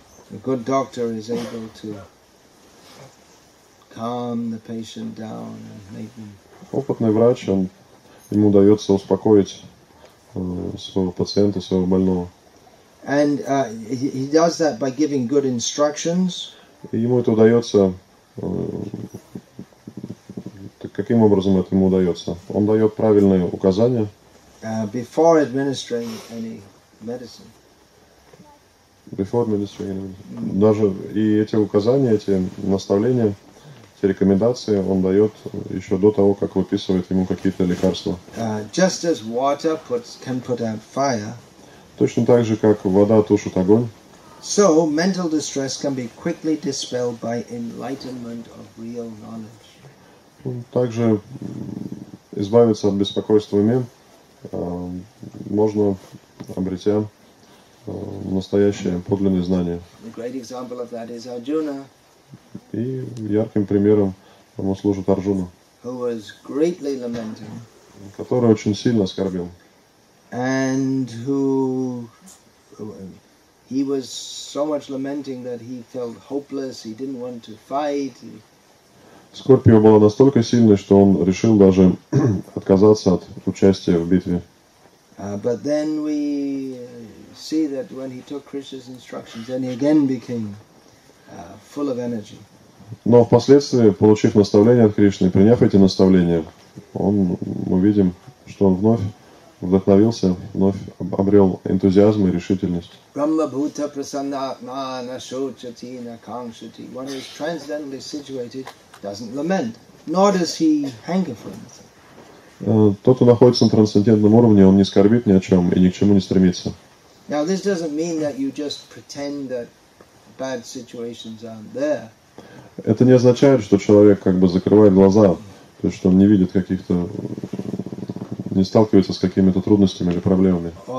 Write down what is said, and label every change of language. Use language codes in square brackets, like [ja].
[en] A good doctor is able to calm the patient down and make them. [ru] Опытный врач, ему удается успокоить своего пациента, своего больного. [en] And he does that by giving good instructions. [ru] Ему это удается. Так каким образом это ему удается? Он дает правильные указания. [en] Before administering any medicine. Before administering any medicine. [ru] Даже и эти указания, эти наставления, эти рекомендации он дает еще до того, как выписывает ему какие-то лекарства. [en] Just as water can put out fire. [ru] Точно так же, как вода тушит огонь. [en] So mental distress can be quickly dispelled by enlightenment of real knowledge. [ru] Также избавиться от беспокойства уме можно, обретя настоящее подлинное знание. [en] A great example of that is Arjuna. [ru] И ярким примером ему служит Арджуна, [en] who was greatly lamenting, [ru] который очень сильно скорбил. [en] And who he was so much lamenting that he felt hopeless, he didn't want to fight. [ru] Скорбь его была настолько сильной, что он решил даже отказаться от участия в битве. [en] But then we see that when he took Krishna's instructions, then he again became full of energy. [ru] Но впоследствии, получив наставление от Кришны, приняв эти наставления, мы видим, что он вновь вдохновился, вновь обрел энтузиазм и решительность. [sa] Brahma-bhuta prasanna-atma na-shocati-na-kangshati. [en] One who is transcendentally situated doesn't lament, nor does he hanker for anything. [ru] Тот, кто находится на трансцендентном уровне, он не скорбит ни о чем и ни к чему не стремится. [en] Now, this doesn't mean that you just pretend that bad situations aren't there. [ru] Это не означает, что человек как бы закрывает глаза, то есть что он не видит каких-то, не сталкивается с какими-то трудностями или проблемами.